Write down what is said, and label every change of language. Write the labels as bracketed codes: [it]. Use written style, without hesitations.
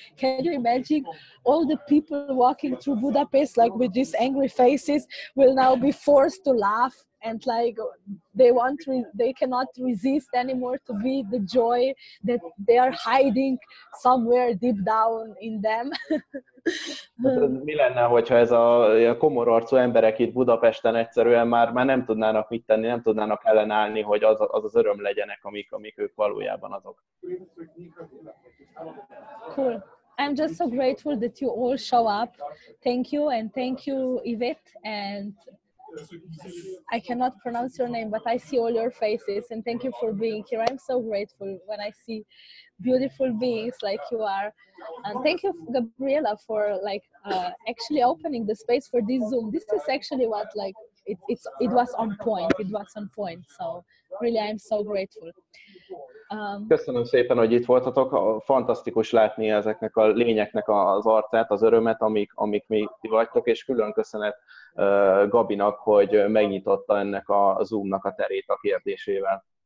[en] Can you imagine all the people walking through Budapest like with these angry faces will now be forced to laugh and like they cannot resist anymore to be the joy that they are hiding somewhere deep down in them. [hu] Mi lenne, hogyha ez a komor arcú emberek itt Budapesten egyszerűen már nem tudnának mit tenni, nem tudnának ellenállni, hogy az öröm legyenek, amik ők valójában azok. [en] Cool. I'm just so grateful that you all show up. Thank you, and thank you, Yvette, and I cannot pronounce your name, but I see all your faces, and thank you for being here. I'm so grateful when I see beautiful beings like you are. And thank you, Gabriela, for like actually opening the space for this Zoom. This is actually what like it was on point. It was on point. So really, I'm so grateful. [hu] Köszönöm szépen, hogy itt voltatok. Fantasztikus látni ezeknek a lényeknek az arcát, az örömet, amik mi vagytok, és külön köszönet Gabinak, hogy megnyitotta ennek a Zoom-nak a terét a kérdésével.